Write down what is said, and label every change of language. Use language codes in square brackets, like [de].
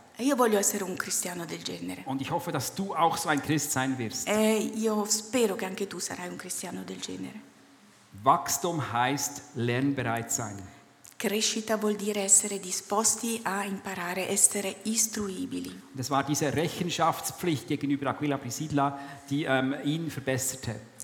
[it] E io voglio essere un cristiano del genere. [de] Und ich hoffe, dass du auch so ein Christ sein wirst. [it] E io spero che anche tu sarai un cristiano del genere. [de] Wachstum heißt lernbereit sein. [it] Crescita vuol dire essere disposti a imparare, essere istruibili. [de] Das war diese Rechenschaftspflicht gegenüber Aquila Priscilla, die ihn verbesserte.